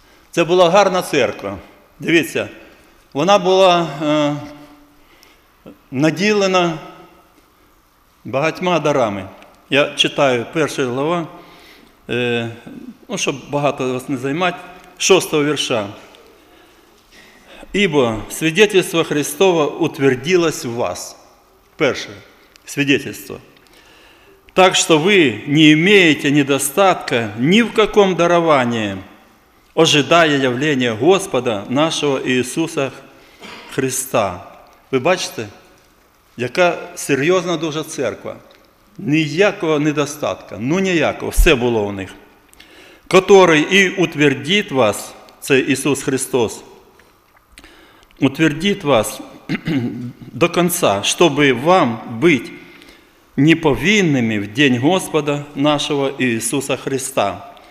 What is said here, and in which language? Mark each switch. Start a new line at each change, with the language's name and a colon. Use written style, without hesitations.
Ukrainian: Це була гарна церква. Дивіться, вона була наділена багатьма дарами. Я читаю перша глава, щоб багато вас не займати, 6-го вірша.
Russian: «Ібо свідетельство Христово утвердилось в вас».
Ukrainian: Перше свідетельство.
Russian: Так что вы не имеете недостатка ни в каком даровании, ожидая явления Господа нашего Иисуса Христа.
Ukrainian: Вы бачите, яка серйозна дуже церква. Ніякого недостатка, ніякого, все було у них.
Russian: Который и утвердит вас,
Ukrainian: це
Russian: Иисус Христос, утвердит вас до конца, чтобы вам быть неповинными в день Господа нашего Иисуса Христа.